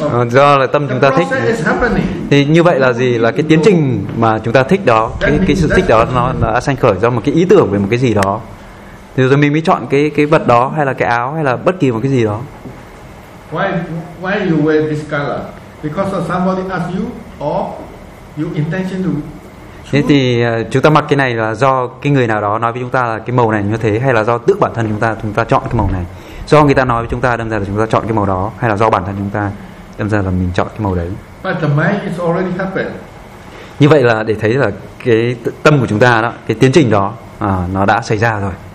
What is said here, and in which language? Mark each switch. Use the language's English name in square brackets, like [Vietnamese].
[Vietnamese] Do là tâm chúng ta thích. Thì như vậy là gì? Là cái tiến trình mà chúng ta thích đó, cái sự thích đó nó đã sanh khởi do một cái ý tưởng về một cái gì đó. Thì rồi mình mới chọn cái vật đó hay là cái áo hay là bất kỳ một cái gì đó. [English] Why you wear this color? Because somebody asked you or you intention to. [Vietnamese] Thế thì chúng ta mặc cái này là do cái người nào đó nói với chúng ta là cái màu này như thế, hay là do tự bản thân chúng ta chọn cái màu này. Do người ta nói với chúng ta đâm ra là chúng ta chọn cái màu đó, hay là do bản thân chúng ta đâm ra là mình chọn cái màu đấy. [English] But the mind is already happened. [Vietnamese] Như vậy là để thấy là cái tâm của chúng ta đó, cái tiến trình đó nó đã xảy ra rồi.